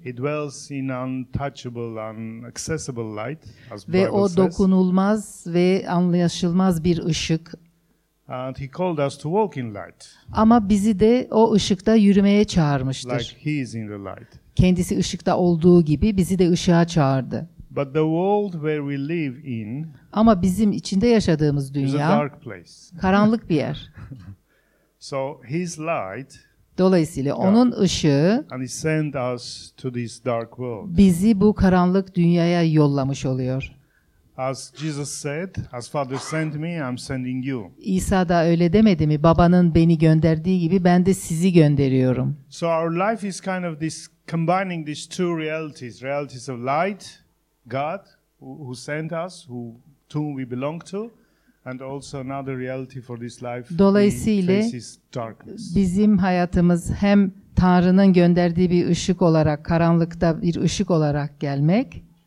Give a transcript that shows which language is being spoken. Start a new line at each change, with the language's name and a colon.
English: He dwells in untouchable and accessible light, as Bible says.
Turkish: Ve o dokunulmaz ve anlaşılmaz bir ışık.
English: And he called us to walk in light.
Turkish: Ama bizi de o ışıkta yürümeye çağırmıştır.
English: Like he is in the light.
Turkish: Kendisi ışıkta olduğu gibi bizi de ışığa çağırdı.
English: But the world where we live in,
Turkish: ama bizim içinde yaşadığımız dünya
English: is a dark place.
Turkish: Karanlık bir yer.
English: So his light,
Turkish: dolayısıyla onun ışığı,
English: and he sent us to this dark world.
Turkish: Bizi bu karanlık dünyaya yollamış oluyor.
English: As Jesus said, as Father sent me, I'm sending you.
Turkish: İsa da öyle demedi mi? Babanın beni gönderdiği gibi ben de sizi gönderiyorum.
English: So our life is kind of this combining these two realities, realities of light. God who sent us, who to whom we belong to, and also another reality for this life.
Turkish: Dolayısıyla
English: faces darkness.
Turkish: Bizim hayatımız hem Tanrı'nın gönderdiği bir ışık olarak, karanlıkta bir ışık olarak gelmek.